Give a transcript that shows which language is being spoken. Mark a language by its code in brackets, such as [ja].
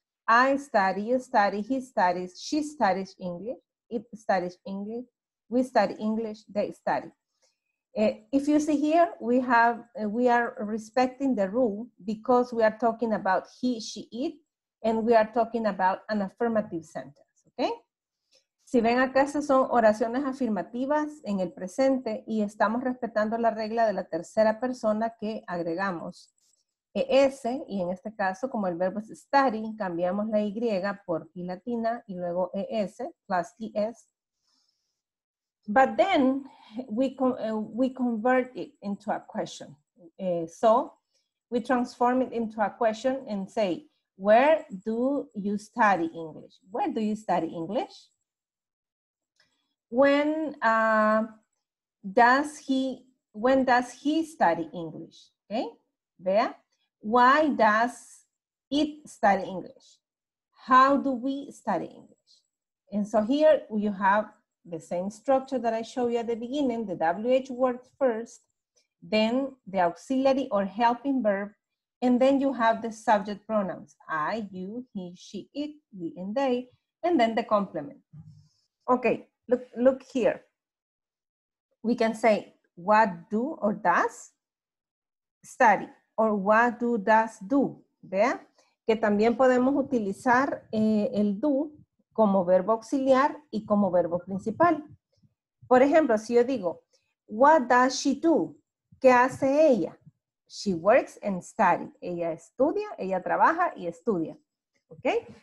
[en] I study, you study, he studies, she studies English, it studies English, we study English, they study. If you see here, we are respecting the rule because we are talking about he, she, it, and we are talking about an affirmative sentence, okay? [es] Si ven acá, estas son oraciones afirmativas en el presente y estamos respetando la regla de la tercera persona que agregamos es, y en este caso, como el verbo es study, cambiamos la y por y latina y luego es, plus es. [en] But then we convert it into a question. So we transform it into a question and say, where do you study English? Where do you study English? When does he study English? Okay, [es] vea. [en] Why does it study English? How do we study English? And so here you have the same structure that I showed you at the beginning, the WH word first, then the auxiliary or helping verb, and then you have the subject pronouns, I, you, he, she, it, we, and they, and then the complement. Okay, look here. We can say, what do or does study, or what do does do, [es] ¿vea? Que también podemos utilizar el do como verbo auxiliar y como verbo principal. Por ejemplo, si yo digo, [en] what does she do? [es] ¿Qué hace ella? [en] She works and study. [es] Ella estudia, ella trabaja y estudia. ¿Ok?